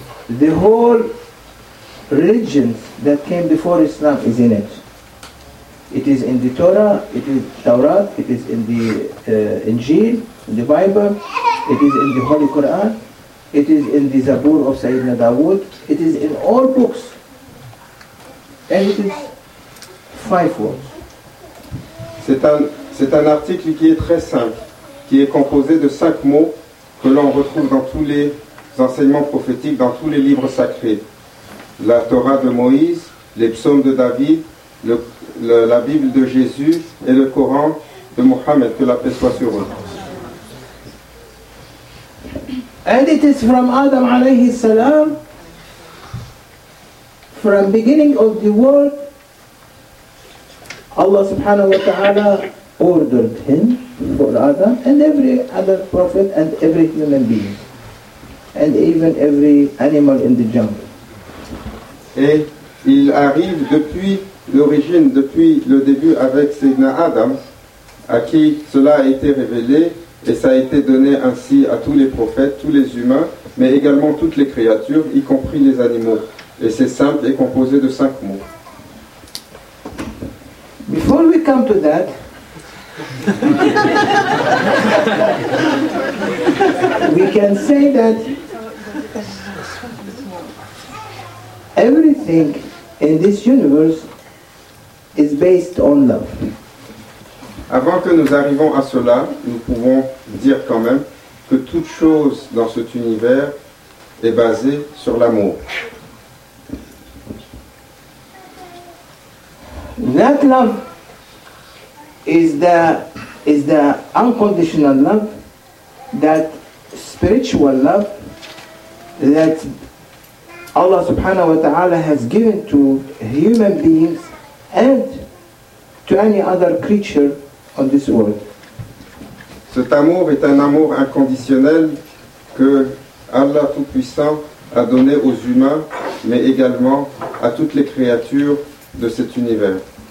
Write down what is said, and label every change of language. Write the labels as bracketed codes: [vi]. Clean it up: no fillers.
[en] The whole religion that came before Islam, isn't it? It is in the Torah, it is Taurat, it is in the Injil, in the Bible, it is in the Holy Quran, it is in the Zabur of Sayyidina Dawood, it is in all books. And it is five words. [fr] C'est un article qui est très simple, qui est composé de cinq mots que l'on retrouve dans tous les enseignements prophétiques, dans tous les livres sacrés. La Torah de Moïse, les psaumes de David, la Bible de Jésus et le Coran de Mohammed, que la paix soit sur eux. [en] And it is from Adam alayhi salam, from beginning of the world, Allah subhanahu wa ta'ala ordered him for Adam and every other prophet and every human being and even every animal in the jungle. [fr] Et il arrive depuis l'origine, depuis le début avec Sayyidina Adam, à qui cela a été révélé et ça a été donné ainsi à tous les prophètes, tous les humains, mais également toutes les créatures, y compris les animaux. Et c'est simple et composé de cinq mots. [en] Before we come to that, we can say that everything in this universe is based on love. [fr] Avant que nous arrivions à cela, nous pouvons dire quand même que toute chose dans cet univers est basée sur l'amour. [en] That love is the unconditional love, that spiritual love that Allah subhanahu wa ta'ala has given to human beings and to any other creature on this world. [fr] Cet amour est un amour inconditionnel que Allah Tout-Puissant a donné aux humains, mais également à toutes les créatures de cet univers.